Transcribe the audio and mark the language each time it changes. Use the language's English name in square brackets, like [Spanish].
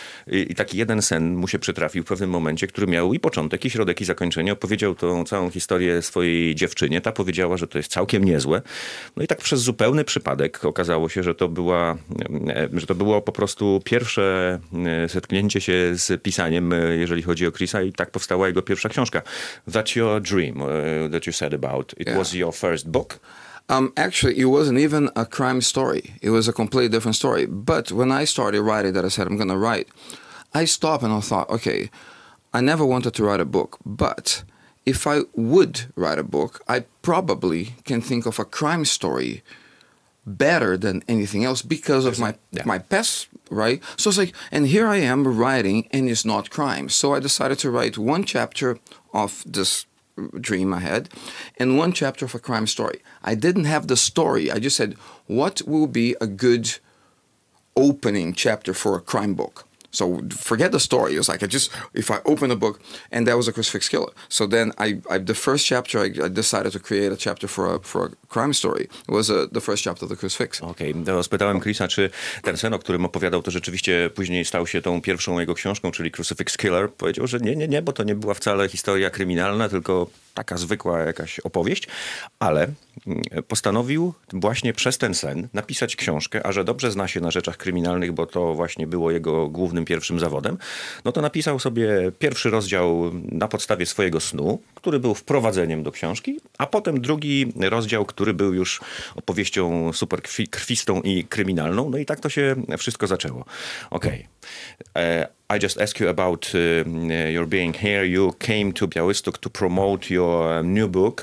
[Polish] I taki jeden sen mu się przytrafił w pewnym momencie, który miał i początek, i środek, i zakończenie. Opowiedział tą całą historię swojej dziewczynie. Ta powiedziała, że to jest całkiem niezłe. No i tak przez zupełny przypadek okazało się, że to było po prostu pierwsze zetknięcie się z pisaniem, jeżeli chodzi o Chrisa, i tak powstała jego pierwsza książka. [English] That's your dream that you said about. It was your first book. Actually, it wasn't even a crime story. It was a completely different story. But when I started writing that, I said, I'm going to write, I stopped and I thought, okay, I never wanted to write a book, but if I would write a book, I probably can think of a crime story better than anything else because of my past, right? So it's like, and here I am writing and it's not crime. So I decided to write one chapter of this dream I had and one chapter of a crime story. I didn't have the story. I just said, what will be a good opening chapter for a crime book? So forget the story. It was like, if I open a book, and that was a crucifix killer. So then the first chapter, I decided to create a chapter for a crime story. It was the first chapter of the crucifix. Okej, okay. [Polish] Spytałem Chrisa, czy ten sen, o którym opowiadał, to rzeczywiście później stał się tą pierwszą jego książką, czyli crucifix killer. Powiedział, że nie, bo to nie była wcale historia kryminalna, tylko taka zwykła jakaś opowieść, ale postanowił właśnie przez ten sen napisać książkę, a że dobrze zna się na rzeczach kryminalnych, bo to właśnie było jego głównym pierwszym zawodem, no to napisał sobie pierwszy rozdział na podstawie swojego snu, który był wprowadzeniem do książki, a potem drugi rozdział, który był już opowieścią super krwistą i kryminalną. No i tak to się wszystko zaczęło. Okej. Okay. [English] I just ask you about your being here. You came to Białystok to promote your new book,